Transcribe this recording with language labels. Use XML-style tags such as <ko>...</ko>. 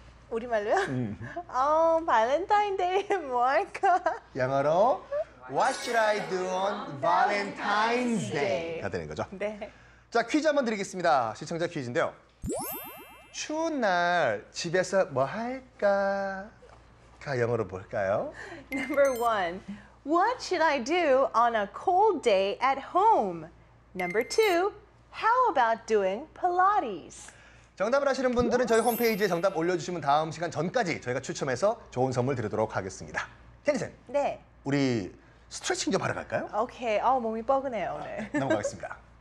<ko>우리말로요? 발렌타인 데이 뭐 할까? 영어로</ko> <en>What should I do on Valentine's Day?</en> <ko>가 되는 거죠. 네. 자, 퀴즈 한번 드리겠습니다. 시청자 퀴즈인데요. 추운 날 집에서 뭐 할까가 영어로 뭘까요?</ko> <en>Number one, what should I do on a cold day at home? Number two, how about doing Pilates?</en> <ko>정답을 아시는 분들은 저희 홈페이지에 정답 올려주시면 다음 시간 전까지 저희가 추첨해서 좋은 선물 드리도록 하겠습니다. 캐니쌤, 네. 우리 스트레칭 좀 하러 갈까요? 오케이, 몸이 뻐근해요 오늘. 아, 넘어가겠습니다.</ko>